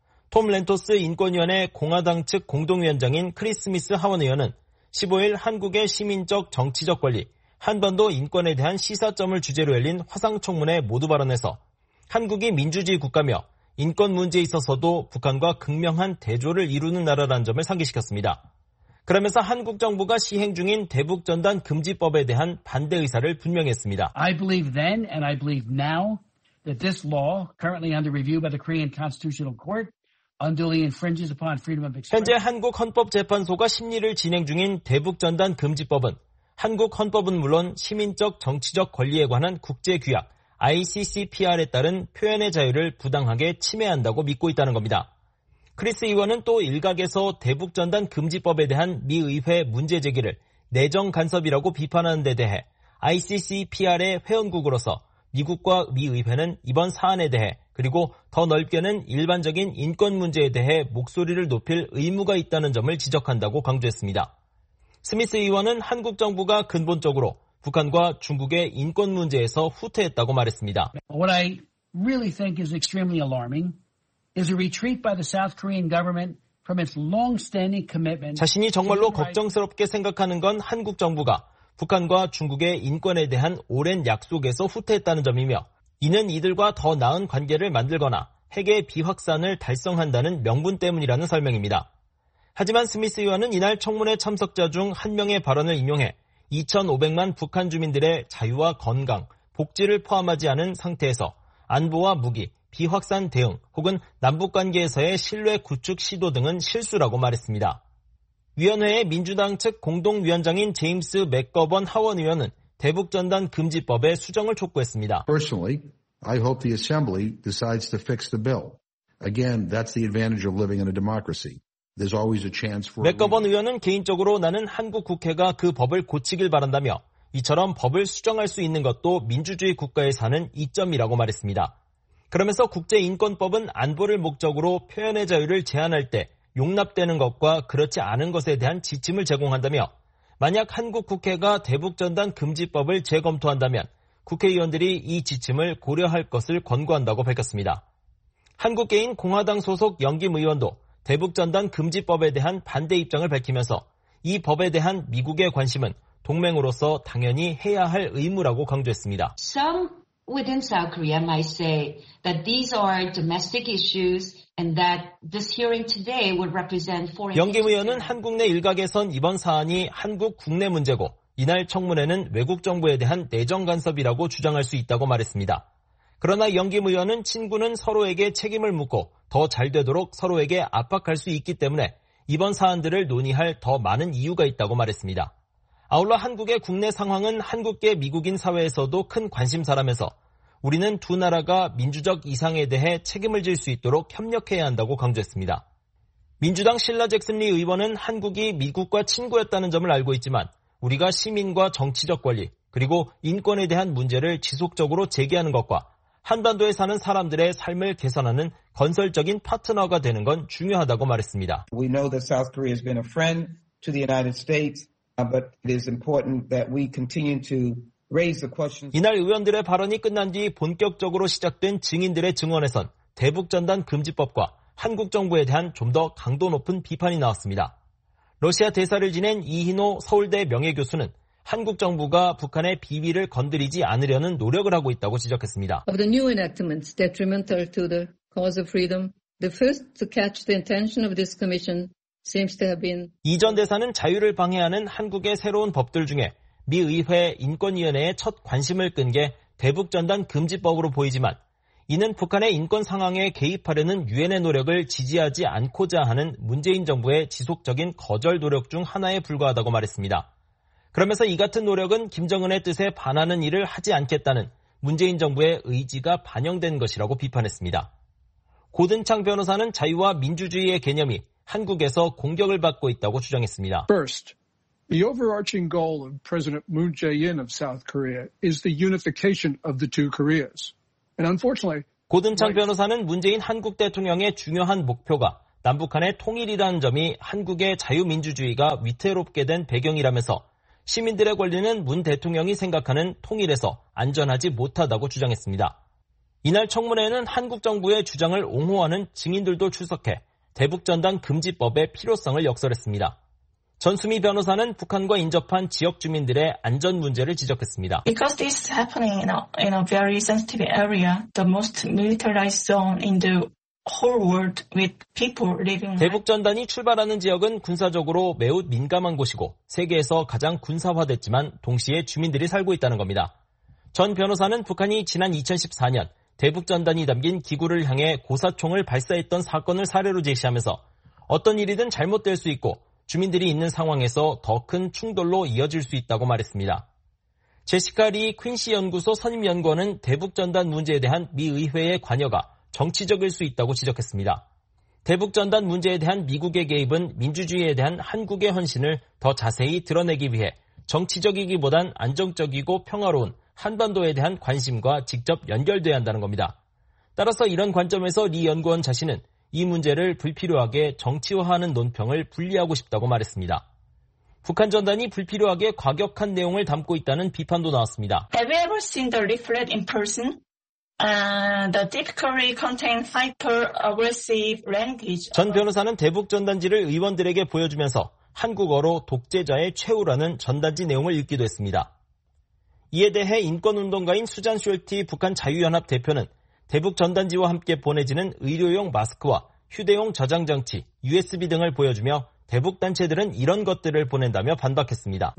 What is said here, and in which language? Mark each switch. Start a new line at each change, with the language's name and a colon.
Korean: 톰 렌토스 인권위원회 공화당 측 공동위원장인 크리스 스미스 하원의원은 15일 한국의 시민적 정치적 권리, 한반도 인권에 대한 시사점을 주제로 열린 화상청문회 모두 발언에서 한국이 민주주의 국가며 인권 문제에 있어서도 북한과 극명한 대조를 이루는 나라라는 점을 상기시켰습니다. 그러면서 한국 정부가 시행 중인 대북 전단 금지법에 대한 반대 의사를 분명했습니다.
English: I believe then and I believe now that this law currently under review by the Korean Constitutional Court unduly infringes upon freedom of expression.
Korean: 현재 한국 헌법재판소가 심리를 진행 중인 대북 전단 금지법은 한국 헌법은 물론 시민적 정치적 권리에 관한 국제 규약 ICCPR에 따른 표현의 자유를 부당하게 침해한다고 믿고 있다는 겁니다. 크리스 의원은 또 일각에서 대북전단 금지법에 대한 미 의회 문제 제기를 내정 간섭이라고 비판하는 데 대해 ICCPR의 회원국으로서 미국과 미 의회는 이번 사안에 대해 그리고 더 넓게는 일반적인 인권 문제에 대해 목소리를 높일 의무가 있다는 점을 지적한다고 강조했습니다. 스미스 의원은 한국 정부가 근본적으로 북한과 중국의 인권 문제에서 후퇴했다고 말했습니다.
English: What I really think is extremely alarming is a retreat by the South Korean government from its long-standing commitment.
Korean: 자신이 정말로 걱정스럽게 생각하는 건 한국 정부가 북한과 중국의 인권에 대한 오랜 약속에서 후퇴했다는 점이며 이는 이들과 더 나은 관계를 만들거나 핵의 비확산을 달성한다는 명분 때문이라는 설명입니다. 하지만 스미스 의원은 이날 청문회 참석자 중 한 명의 발언을 인용해 2,500만 북한 주민들의 자유와 건강, 복지를 포함하지 않은 상태에서 안보와 무기, 비확산 대응 혹은 남북관계에서의 신뢰 구축 시도 등은 실수라고 말했습니다. 위원회의 민주당 측 공동위원장인 제임스 맥거번 하원 의원은 대북전단 금지법의 수정을 촉구했습니다.
English: Personally, I hope the Assembly decides to fix the bill. Again, that's the advantage of living in a democracy. There's always a chance for.
Korean: 맥거번 의원은 개인적으로 나는 한국 국회가 그 법을 고치길 바란다며 이처럼 법을 수정할 수 있는 것도 민주주의 국가에 사는 이점이라고 말했습니다. 그러면서 국제인권법은 안보를 목적으로 표현의 자유를 제한할 때 용납되는 것과 그렇지 않은 것에 대한 지침을 제공한다며 만약 한국 국회가 대북전단 금지법을 재검토한다면 국회의원들이 이 지침을 고려할 것을 권고한다고 밝혔습니다. 한국계인 공화당 소속 영김 의원도 대북전단 금지법에 대한 반대 입장을 밝히면서 이 법에 대한 미국의 관심은 동맹으로서 당연히 해야 할 의무라고 강조했습니다.
English: Within South Korea, I say that these are domestic issues, and that this hearing today would represent foreign.
Korean: 영김 의원은 한국 내 일각에선 이번 사안이 한국 국내 문제고 이날 청문회는 외국 정부에 대한 내정 간섭이라고 주장할 수 있다고 말했습니다. 그러나 영김 의원은 친구는 서로에게 책임을 묻고 더 잘 되도록 서로에게 압박할 수 있기 때문에 이번 사안들을 논의할 더 많은 이유가 있다고 말했습니다. 아울러 한국의 국내 상황은 한국계 미국인 사회에서도 큰 관심사라면서 우리는 두 나라가 민주적 이상에 대해 책임을 질 수 있도록 협력해야 한다고 강조했습니다. 민주당 실라 잭슨 리 의원은 한국이 미국과 친구였다는 점을 알고 있지만 우리가 시민과 정치적 권리 그리고 인권에 대한 문제를 지속적으로 제기하는 것과 한반도에 사는 사람들의 삶을 개선하는 건설적인 파트너가 되는 건 중요하다고 말했습니다.
English: We know that South Korea has been a friend to the United States. But it is important that we continue to raise the questions.
Korean: 이날 의원들의 발언이 끝난 뒤 본격적으로 시작된 증인들의 증언에선 대북전단 금지법과 한국 정부에 대한 좀 더 강도 높은 비판이 나왔습니다. 러시아 대사를 지낸 이희노 서울대 명예교수는 한국 정부가 북한의 비위를 건드리지 않으려는 노력을 하고 있다고 지적했습니다.
English: Of the new enactments detrimental to the cause of freedom, the first to catch the intention of this commission seems to have been
Korean: 이전 대사는 자유를 방해하는 한국의 새로운 법들 중에 미 의회 인권위원회의 첫 관심을 끈 게 대북전단 금지법으로 보이지만 이는 북한의 인권 상황에 개입하려는 유엔의 노력을 지지하지 않고자 하는 문재인 정부의 지속적인 거절 노력 중 하나에 불과하다고 말했습니다. 그러면서 이 같은 노력은 김정은의 뜻에 반하는 일을 하지 않겠다는 문재인 정부의 의지가 반영된 것이라고 비판했습니다. 고든창 변호사는 자유와 민주주의의 개념이 한국에서 공격을 받고 있다고 주장했습니다.
English: First, the overarching goal of President Moon Jae-in of South Korea is the unification of the two Koreas. And unfortunately,
Korean: 고든창 변호사는 문재인 한국 대통령의 중요한 목표가 남북한의 통일이라는 점이 한국의 자유민주주의가 위태롭게 된 배경이라면서 시민들의 권리는 문 대통령이 생각하는 통일에서 안전하지 못하다고 주장했습니다. 이날 청문회에는 한국 정부의 주장을 옹호하는 증인들도 출석해 대북전단 금지법의 필요성을 역설했습니다. 전수미 변호사는 북한과 인접한 지역 주민들의 안전 문제를 지적했습니다.
English: Because this is happening in a very sensitive area, the most militarized zone in the whole world with people living.
Korean: 대북전단이 출발하는 지역은 군사적으로 매우 민감한 곳이고 세계에서 가장 군사화됐지만 동시에 주민들이 살고 있다는 겁니다. 전 변호사는 북한이 지난 2014년 대북전단이 담긴 기구를 향해 고사총을 발사했던 사건을 사례로 제시하면서 어떤 일이든 잘못될 수 있고 주민들이 있는 상황에서 더 큰 충돌로 이어질 수 있다고 말했습니다. 제시카 리 퀸시 연구소 선임연구원은 대북전단 문제에 대한 미 의회의 관여가 정치적일 수 있다고 지적했습니다. 대북전단 문제에 대한 미국의 개입은 민주주의에 대한 한국의 헌신을 더 자세히 드러내기 위해 정치적이기보단 안정적이고 평화로운 한반도에 대한 관심과 직접 연결돼야 한다는 겁니다. 따라서 이런 관점에서 리 연구원 자신은 이 문제를 불필요하게 정치화하는 논평을 분리하고 싶다고 말했습니다. 북한 전단이 불필요하게 과격한 내용을 담고 있다는 비판도 나왔습니다.
English: Have you ever seen the leaflet in person? The typically contain hyper-aggressive language.
Korean: 전 변호사는 대북 전단지를 의원들에게 보여주면서 한국어로 독재자의 최후라는 전단지 내용을 읽기도 했습니다. 이에 대해 인권운동가인 수잔 쇼티 북한 자유연합 대표는 대북 전단지와 함께 보내지는 의료용 마스크와 휴대용 저장장치, USB 등을 보여주며 대북 단체들은 이런 것들을 보낸다며 반박했습니다.